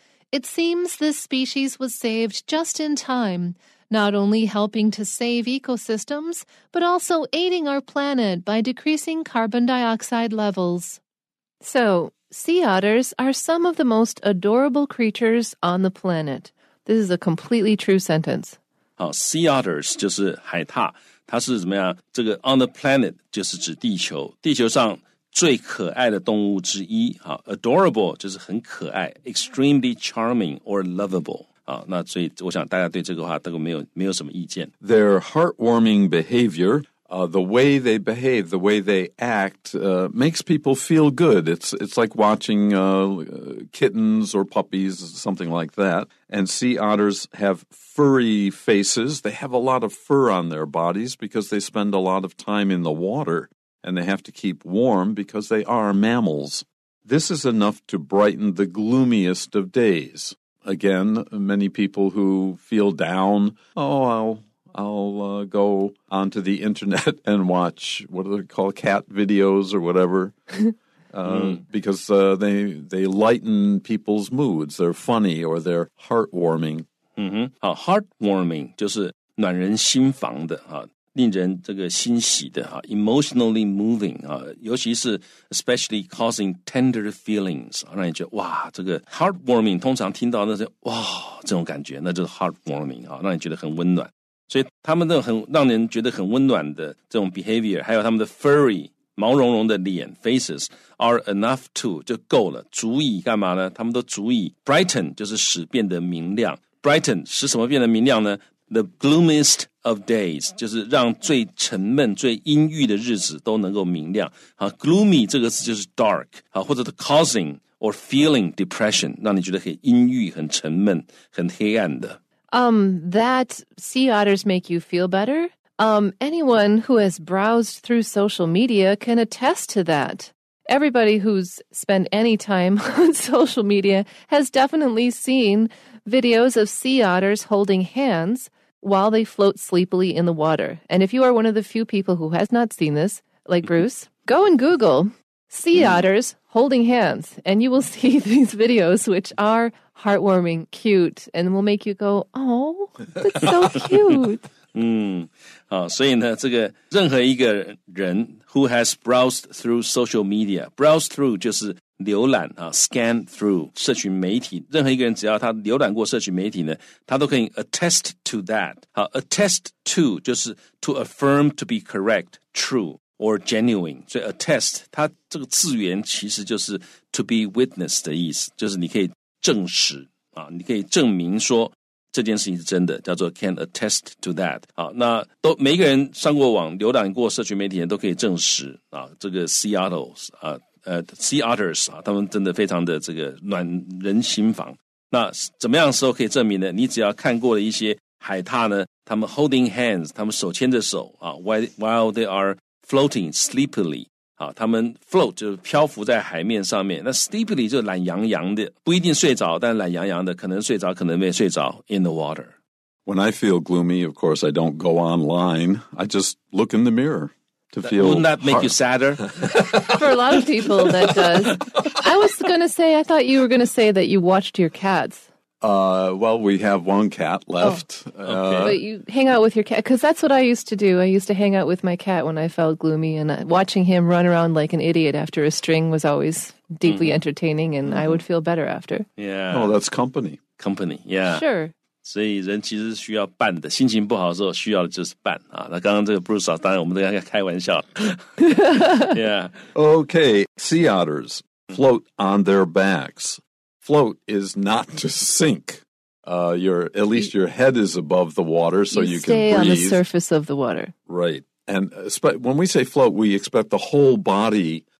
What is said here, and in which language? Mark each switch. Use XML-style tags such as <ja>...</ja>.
<en>It seems this species was saved just in time, not only helping to save ecosystems, but also aiding our planet by decreasing carbon dioxide levels. So, sea otters are some of the most adorable creatures on the planet. This is a completely true sentence.</en> <zh>Sea otters 就是海獭，它是怎么样？这个</zh> <en>on the planet</en> <zh>就是指地球，地球上最可爱的动物之一。</zh> <en>Adorable</en> <zh>就是很可爱</zh> <en>，extremely charming or lovable。</en> <zh>那所以我想大家对这个话都没有什么意见。</zh> <en>Their heartwarming behavior. The way they behave, the way they act, makes people feel good. It's like watching kittens or puppies, something like that. And sea otters have furry faces. They have a lot of fur on their bodies because they spend a lot of time in the water. And they have to keep warm because they are mammals. This is enough to brighten the gloomiest of days. Again, many people who feel down, I'll go onto the internet and watch, what do they call, cat videos or whatever. Because they lighten people's moods. They're funny or they're heartwarming. Mm-hmm.</en> <zh>Heartwarming 就是暖人心房的、令人这个欣喜的、</zh> <en>emotionally moving、</en> <zh>尤其是</zh> <en>especially causing tender feelings</en> <zh>让你觉得哇这个 heartwarming 通常听到那些哇这种感觉那就是 heartwarming、让你觉得很温暖。所以他们的很让人觉得很温暖的这种 behavior 还有他们的 furry 毛茸茸的脸</zh> <en>faces are enough to</en> <zh>就够了足以干嘛呢他们都足以 brighten 就是使变得明亮 brighten 使什么变得明亮呢</zh> <en>the gloomiest of days</en> <zh>就是让最沉闷最阴郁的日子都能够明亮 gloomy 这个字就是 dark 或者</zh> <en>the causing or feeling depression</en> <zh>让你觉得很阴郁很沉闷很黑暗的</zh> <en>That sea otters make you feel better? Anyone who has browsed through social media can attest to that. Everybody who's spent any time on social media has definitely seen videos of sea otters holding hands while they float sleepily in the water. And if you are one of the few people who has not seen this, like Bruce, go and Google sea otters holding hands, and you will see these videos, which are heartwarming, cute, and will make you go, oh, that's so cute.</en> <zh>所以呢，这个任何一个人</zh> <en>who has browsed through social media,</en> <zh>browse through 就是浏览啊 ，</zh> <en>scan through</en> <zh>社群媒体，任何一个人只要他浏览过社群媒体呢，他都可以</zh> <en>attest to that。</en> <zh>好</zh> <en>，attest to</en> <zh>就是</zh> <en>to affirm to be correct, true or genuine。</en> <zh>所以 attest 它这个字源其实就是</zh> <en>to be witness</en> <zh>的意思，就是你可以证实啊，你可以证明说。这件事情是真的，叫做</zh> <en>can attest to that。</en> <zh>好，那都每一个人上过网、浏览过社群媒体都可以证实啊，这个 sea otters 啊，sea otters 啊，他们真的非常的这个暖人心房。那怎么样的时候可以证明呢？你只要看过了一些海獭呢，他们</zh> <en>holding hands，</en> <zh>他们手牵着手啊 ，</zh> <en>while they are floating sleepily。</en> <zh>好，他们 float 就是漂浮在海面上面，那 sleepily 就懒洋洋的，不一定睡着，但懒洋洋的，可能睡着，可能没睡着</zh> <en>in the water. When I feel gloomy, of course, I don't go online. I just look in the mirror to feel. Wouldn't that make you sadder? For a lot of people, that does. I was going to say, I thought you were going to say that you watched your cats. Well, we have one cat left. But you hang out with your cat, because that's what I used to do. I used to hang out with my cat when I felt gloomy, and watching him run around like an idiot after a string was always deeply entertaining, and I would feel better after. Yeah. Oh, that's company. Company, yeah. Sure.</en> <zh>所以人其实需要伴的，心情不好的时候需要的就是伴啊。那刚刚这个 Bruce 啊，当然我们都在开玩笑。</zh> <en>Yeah. Okay, sea otters float on their backs. Float is not to sink. At least your head is above the water, so you can breathe. Stay on the surface of the water. Right. And when we say float, we expect the whole body</en>